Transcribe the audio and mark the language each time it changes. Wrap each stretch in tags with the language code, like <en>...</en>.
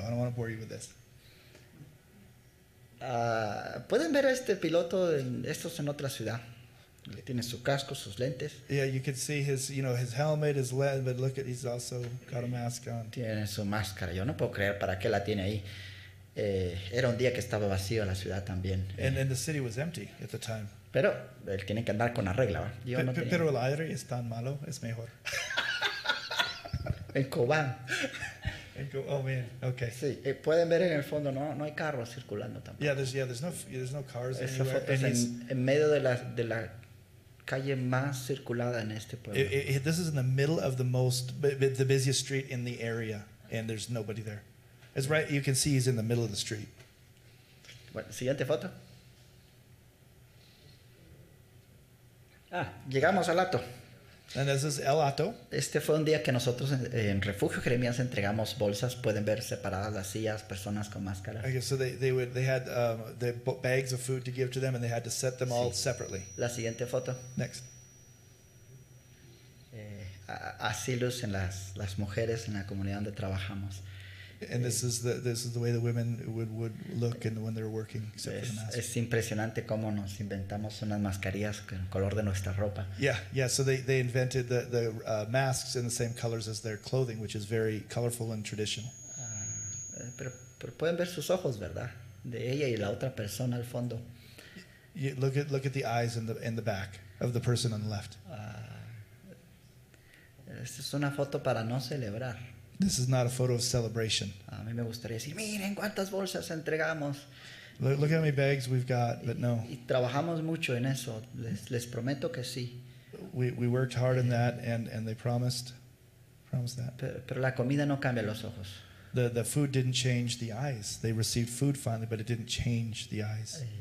<en>I don't want to bore you with this.</en> <es>¿Pueden ver a este piloto? Esto es en otra ciudad. Tiene su casco, sus lentes.</es> <en>Yeah, you can see his helmet, his lens, but look at, he's also got a mask on.</en> <es>Tiene su máscara. Yo no puedo creer para qué la tiene ahí. Era un día que estaba vacío la ciudad también.</es> <en>And the city was empty at the time.</en> <es>Pero él tiene que andar con la regla, ¿va? Yo no tenía. Pero el aire es tan malo, es mejor. En Cobán.</es> <en>Oh man, okay.</en> <es>Sí, pueden ver en el fondo no hay carros circulando tampoco.</es> <en>Yeah, there's no cars.</en> <es>Esa foto es en medio de la calle más circulada en este pueblo.</es> <en>This is in the middle of the busiest street in the area, and there's nobody there. It's right, you can see he's in the middle of the street.</en> <es>Bueno, siguiente foto. Ah, llegamos al alto. And this is El Hato. Este fue un día que nosotros en Refugio Jeremías entregamos bolsas. Pueden ver separadas las sillas, personas con máscaras.</es> <en>Okay, so they had the bags of food to give to them, and they had to set them all separately.</en> <es>La siguiente foto.</es> <en>Next.</en> <es>Así lucen las mujeres en la comunidad donde trabajamos.</es> <en>And this is the way the women would look when they're working, except for the mask.</en> <es>Es impresionante cómo nos inventamos unas mascarillas con el color de nuestra ropa.</es> <en>Yeah. So they invented the masks in the same colors as their clothing, which is very colorful and traditional.</en> <es>Pero pueden ver sus ojos, ¿verdad? De ella y la otra persona al fondo.</es> <en>Look at the eyes in the back of the person on the left.</en> <es>Esta es una foto para no celebrar.</es> <en>This is not a photo of celebration.</en> <es>A mí me gustaría decir, miren cuántas bolsas entregamos.</es> <en>Look at how many bags we've got, but no.</en> <es>Y trabajamos mucho en eso. Les prometo que sí.</es> <en>we worked hard in that, and they promised that.</en> <es>Pero la comida no cambia los ojos.</es> <en>The food didn't change the eyes. They received food finally, but it didn't change the eyes.</en>